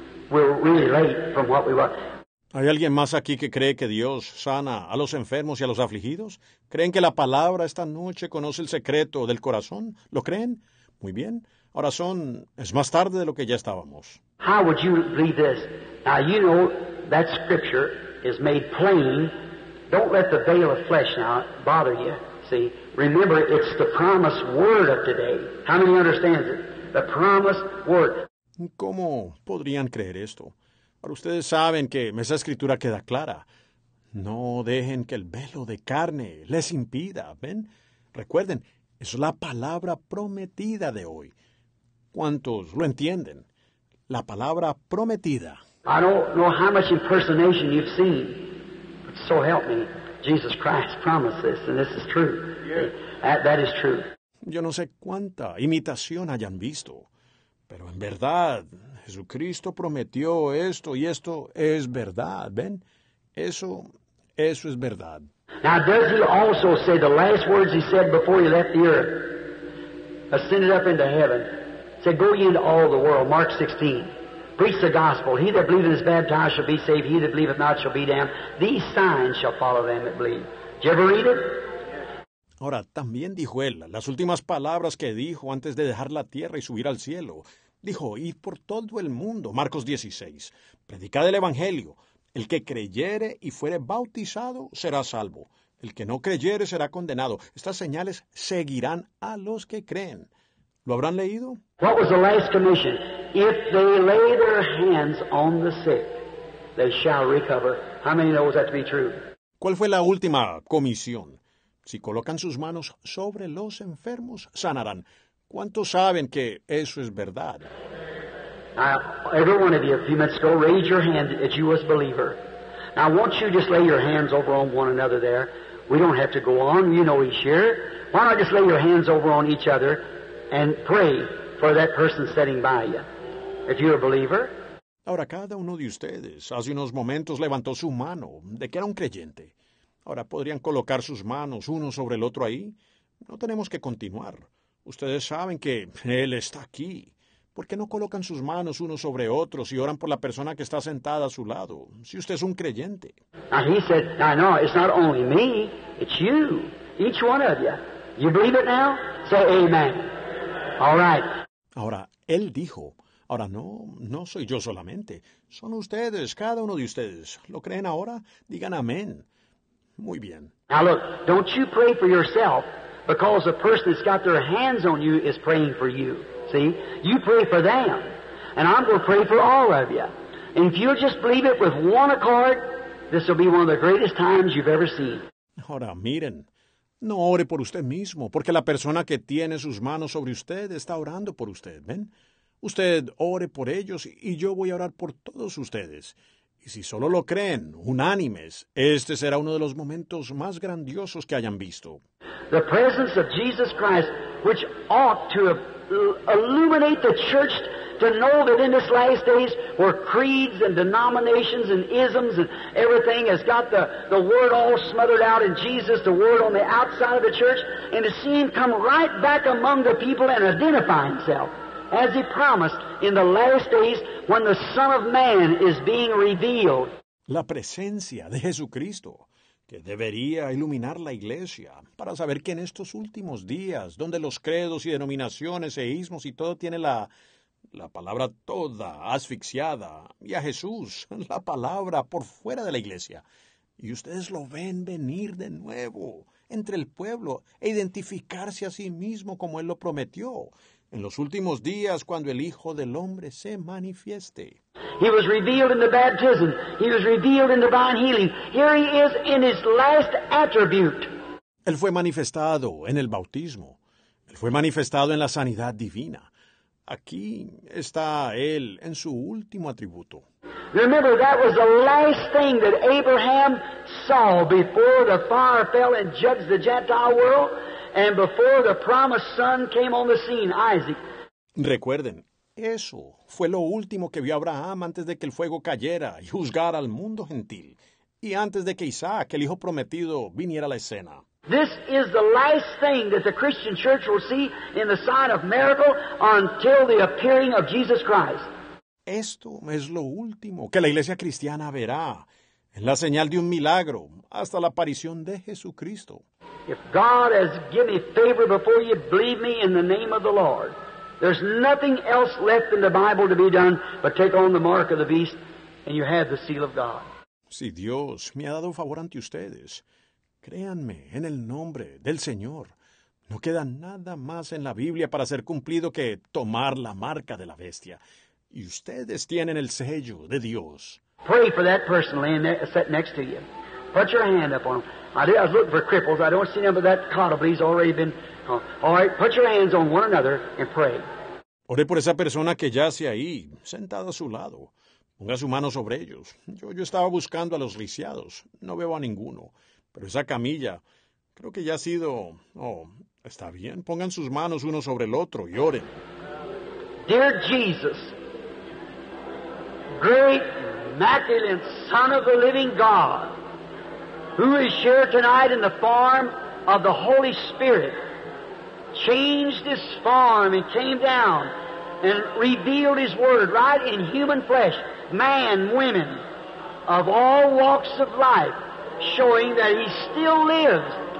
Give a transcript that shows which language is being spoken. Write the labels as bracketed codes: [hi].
[en] We're really late from what we were. [es] ¿Hay alguien más aquí que cree que Dios sana a los enfermos y a los afligidos? ¿Creen que la palabra esta noche conoce el secreto del corazón? ¿Lo creen? Muy bien. Ahora es más tarde de lo que ya estábamos. [en] How would you believe this? Now you know that scripture is made plain. Don't let the veil of flesh now bother you. See, remember it's the promised word of today. How many understands it? The promised word. [es] ¿Cómo podrían creer esto? Ahora ustedes saben que esa escritura queda clara. No dejen que el velo de carne les impida, ¿ven? Recuerden, es la palabra prometida de hoy. ¿Cuántos lo entienden? La palabra prometida. [en] I don't know how much impersonation you've seen, but so help me, Jesus Christ promised this, and this is true. Yeah. That is true. [es] Yo no sé cuánta imitación hayan visto, pero en verdad, Jesucristo prometió esto, y esto es verdad, ¿ven? Eso es verdad. [en] Now, does he also say the last words he said before he left the earth, ascended up into heaven, said, go ye into all the world, Mark 16, preach the gospel, he that believeth is baptized shall be saved, he that believeth not shall be damned, these signs shall follow them that believe. Did you ever read it? [es] Ahora, también dijo él, las últimas palabras que dijo antes de dejar la tierra y subir al cielo, dijo, id por todo el mundo, Marcos 16, predicad el evangelio, el que creyere y fuere bautizado será salvo, el que no creyere será condenado. Estas señales seguirán a los que creen. ¿Lo habrán leído? [en] What was the last commission? If they lay their hands on the sick, they shall recover. How many knows that to be true? [es] ¿Cuál fue la última comisión? Si colocan sus manos sobre los enfermos, sanarán. ¿Cuántos saben que eso es verdad? [en] Now, every one of you, a few minutes ago, raise your hand that you was a believer. Now, won't you just lay your hands over on one another there? We don't have to go on. You know he's here. Why not just lay your hands over on each other and pray for that person sitting by you, if you're a believer? [es] Ahora, cada uno de ustedes hace unos momentos levantó su mano de que era un creyente. Ahora, ¿podrían colocar sus manos uno sobre el otro ahí? No tenemos que continuar. Ustedes saben que Él está aquí. ¿Por qué no colocan sus manos unos sobre otros y oran por la persona que está sentada a su lado, si usted es un creyente? [en] Now he said, now no, it's not only me, it's you, each one of you. You believe it now? Say amen. All right. [es] Ahora, Él dijo, ahora no soy yo solamente, son ustedes, cada uno de ustedes. ¿Lo creen ahora? Digan amén. Muy bien. [en] Now look, don't you pray for yourself. Because the person that's got their hands on you is praying for you. See? You pray for them. And I'm going to pray for all of you. And if you'll just believe it with one accord, this will be one of the greatest times you've ever seen. [es] Ahora, miren. No ore por usted mismo, porque la persona que tiene sus manos sobre usted está orando por usted, ¿ven? Usted ore por ellos y yo voy a orar por todos ustedes. Y si solo lo creen, unánimes, este será uno de los momentos más grandiosos que hayan visto. [en] The presence of Jesus Christ, which ought to illuminate the church to know that in this last days where creeds and denominations and isms and everything has got the word all smothered out in Jesus, the word on the outside of the church, and to see him come right back among the people and identify himself. As he promised in the last days when the Son of Man is being revealed. [es] La presencia de Jesucristo, que debería iluminar la iglesia, para saber que en estos últimos días, donde los credos y denominaciones e ismos y todo tiene la palabra toda asfixiada, y a Jesús, la palabra por fuera de la iglesia, y ustedes lo ven venir de nuevo entre el pueblo e identificarse a sí mismo como Él lo prometió. en los últimos días cuando el Hijo del Hombre se manifieste. [en] He was revealed in the baptism. He was revealed in divine healing. Here he is in his last attribute. [es] Él fue manifestado en el bautismo. Él fue manifestado en la sanidad divina. Aquí está él en su último atributo. [en] Remember, that was the last thing that Abraham saw before the fire fell and judged the Gentile world, and before the promised son came on the scene, Isaac. [es] Recuerden, eso fue lo último que vio Abraham antes de que el fuego cayera y juzgara al mundo gentil, y antes de que Isaac, el hijo prometido, viniera a la escena. [en] This is the last thing that the Christian church will see in the sign of miracle until the appearing of Jesus Christ. [es] Esto es lo último que la iglesia cristiana verá en la señal de un milagro hasta la aparición de Jesucristo. [en] If God has given me favor before you, believe me in the name of the Lord. There's nothing else left in the Bible to be done but take on the mark of the beast and you have the seal of God. [es] Si Dios me ha dado favor ante ustedes, créanme, en el nombre del Señor, no queda nada más en la Biblia para ser cumplido que tomar la marca de la bestia. Y ustedes tienen el sello de Dios. [en] Pray for that person laying there, sitting next to you. Put your hand up on them. I was looking for cripples. I don't see them, but that coddle, but he's already been... All right, put your hands on one another and pray. [es] Oré por esa persona que yace ahí, sentada a su lado. Ponga su mano sobre ellos. Yo estaba buscando a los lisiados. No veo a ninguno. Pero esa camilla, creo que ya ha sido... Oh, está bien. Pongan sus manos uno sobre el otro y oren. [en] Dear Jesus, great Magdalene, son of the living God, who is here tonight in the form of the Holy Spirit, changed his form and came down and revealed his word right in human flesh, man, women, of all walks of life, showing that he still lives.